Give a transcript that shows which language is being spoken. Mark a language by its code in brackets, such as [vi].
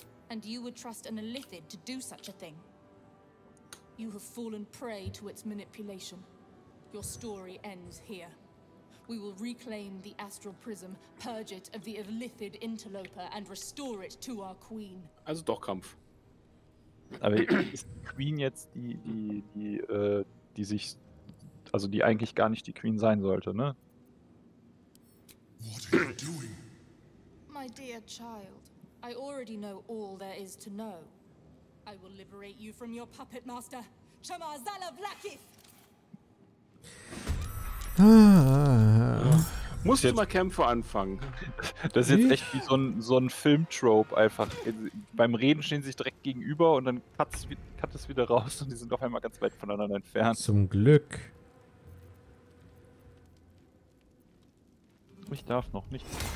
[en] And you would trust an illithid to do such a thing? You have fallen prey to its manipulation. Your story ends here. We will reclaim the astral prism, purge it of the illithid interloper and restore it to our queen. [de] Also doch Kampf. Aber ist die Queen jetzt die sich, also die eigentlich gar nicht die Queen sein sollte, ne? [en] What are you doing? My dear child, I already know all there is to know. I will liberate you from your puppet master, Chamar Zala Vlakith. [de] Musst du jetzt mal Kämpfe anfangen? Das ist jetzt echt wie so ein Filmtrope einfach. Beim Reden stehen sie sich direkt gegenüber und dann cut es wieder raus und die sind auf einmal ganz weit voneinander entfernt. Zum Glück. Ich darf noch nicht.